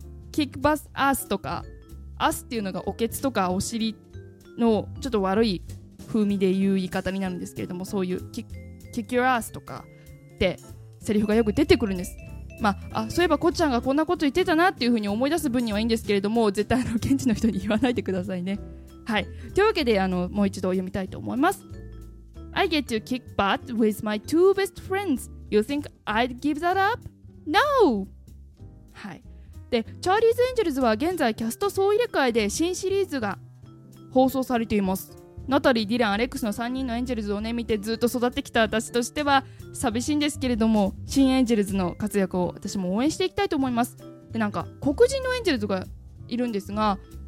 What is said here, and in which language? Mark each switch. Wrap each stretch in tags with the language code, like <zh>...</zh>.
<ja>キックバスアースとか、アースっていうのがおけつとかお尻のちょっと悪い風味で言う言い方になるんですけれども、そういうキックヨアースとかってセリフがよく出てくるんです。まあ、そういえばこっちゃんがこんなこと言ってたなっていう風に思い出す分にはいいんですけれども、絶対あの現地の人に言わないでくださいね。はい、というわけであのもう一度読みたいと思います。</ja> <en>I get to kick butt with my two best friends. You think I'd give that up? No!</en> <ja>はい、でチャーリーズ・エンジェルズは現在キャスト総入れ替えで新シリーズが放送されています。ナタリー、ディラン、アレックスの3人のエンジェルズをね見てずっと育ってきた私としては寂しいんですけれども、新エンジェルズの活躍を私も応援していきたいと思います。で、なんか黒人のエンジェルズがいるんですが、</ja>